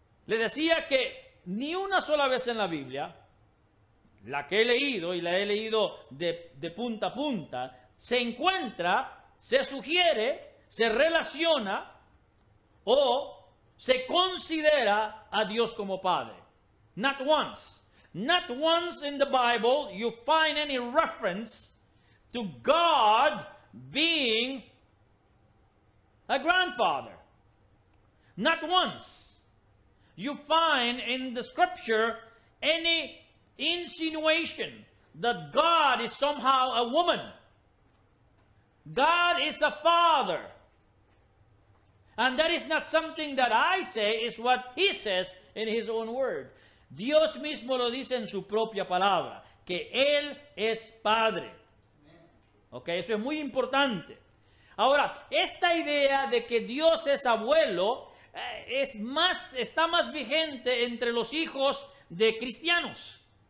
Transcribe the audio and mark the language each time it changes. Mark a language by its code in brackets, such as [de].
[es] le decía que ni una sola vez en la Biblia, la que he leído y la he leído de punta a punta, se encuentra, se sugiere, se relaciona o se considera a Dios como Padre. [en] Not once. Not once in the Bible you find any reference to God being a grandfather. Not once you find in the scripture any insinuation that God is somehow a woman. God is a father. And that is not something that I say, is what he says in his own word. [es] Dios mismo lo dice en su propia palabra, que Él es Padre. Ok, eso es muy importante. Ahora, esta idea de que Dios es abuelo está más vigente entre los hijos de cristianos.